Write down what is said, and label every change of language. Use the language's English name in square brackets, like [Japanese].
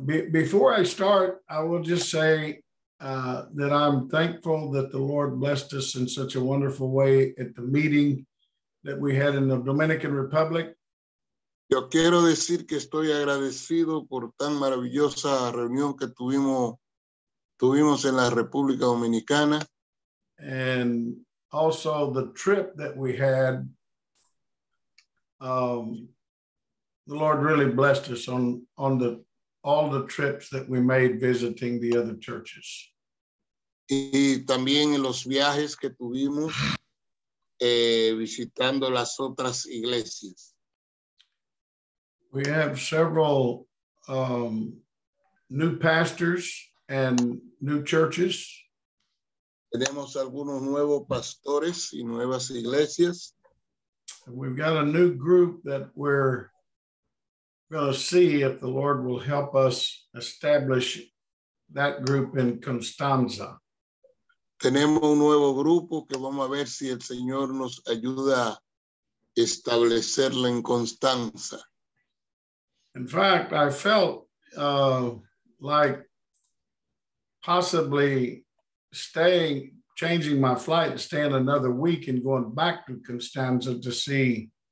[English] Before I start, I will just say that I'm thankful that the Lord blessed us in such a wonderful way at the meeting that we had in the Dominican Republic. [Spanish] Yo quiero decir que estoy agradecido por tan maravillosa reunión que tuvimos en la República Dominicana. [English] And also the trip that we had, the Lord really blessed us on the all the trips that we made visiting the other churches. [Spanish] Y también en los viajes que tuvimos visitando las otras iglesias. [English] We have several new pastors and new churches. [Spanish] Tenemos algunos nuevos pastores y nuevas iglesias. [English] And we've got a new group that we're going to see if the Lord will help us establish that group in Constanza. [Spanish] Tenemos un nuevo grupo que vamos a ver si el Señor nos ayuda a establecerla en Constanza. [English] In fact, I felt like possibly staying, changing my flight to stay another week and going back to Constanza to see.